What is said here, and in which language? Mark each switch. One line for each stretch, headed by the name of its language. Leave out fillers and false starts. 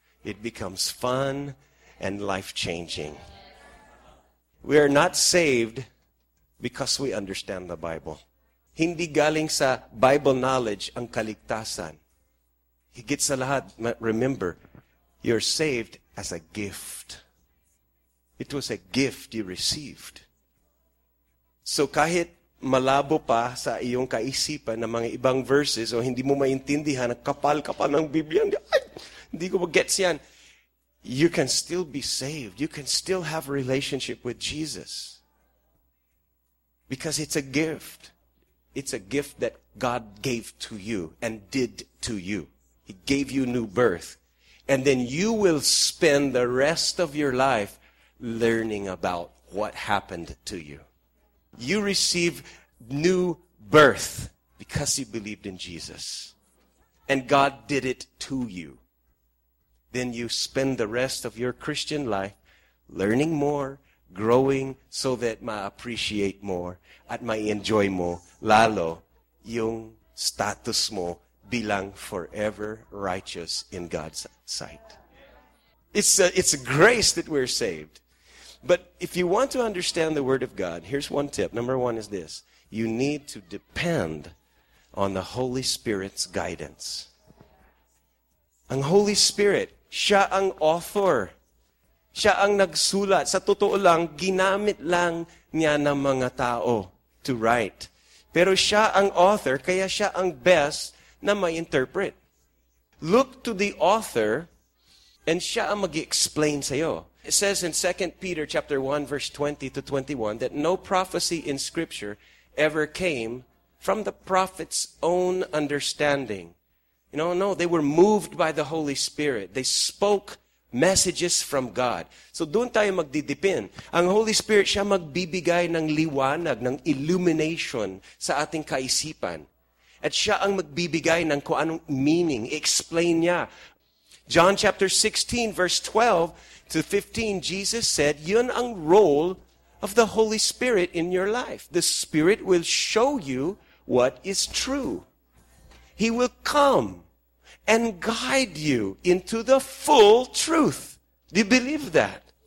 English: It becomes fun and life-changing. We are not saved because we understand the Bible.
Filipino: Hindi galing sa Bible knowledge ang kaligtasan. He gets a lahat.
English: Remember, you're saved as a gift. It was a gift you received.
Filipino: So kahit malabo pa sa iyong kaisipan ng mga ibang verses o hindi mo maintindihan, nagkapal ka pa ng Biblia, hindi ko mag-gets yan.
English: You can still be saved. You can still have a relationship with Jesus. Because it's a gift. It's a gift that God gave to you and did to you. He gave you new birth. And then you will spend the rest of your life learning about what happened to you. You receive new birth because you believed in Jesus. And God did it to you. Then you spend the rest of your Christian life learning more, growing so that
Filipino: ma-appreciate more at ma-enjoy mo, lalo yung status mo bilang
English: forever righteous in God's sight. It's a grace that we're saved. But if you want to understand the Word of God, here's one tip. Number one is this. You need to depend on the Holy Spirit's guidance.
Filipino: Ang Holy Spirit, Siya ang author. Siya ang nagsulat. Sa totoo lang, ginamit lang niya ng mga tao to write. Pero Siya ang author, kaya Siya ang best na ma-interpret.
English: Look to the author and
Filipino: Siya ang mag-explain sa'yo.
English: It says in 2 Peter chapter 1, verse 20 to 21, that no prophecy in Scripture ever came from the prophet's own understanding. You know, no, they were moved by the Holy Spirit. They spoke messages from God.
Filipino: So doon tayo magdidipin. Ang Holy Spirit, Siya magbibigay ng liwanag, ng illumination sa ating kaisipan. At Siya ang magbibigay ng kung anong meaning. Explain niya.
English: John chapter 16, verse 12 to 15, Jesus said,
Filipino: yun ang
English: role of the Holy Spirit in your life. The Spirit will show you what is true. He will come and guide you into the full truth. Do you believe that?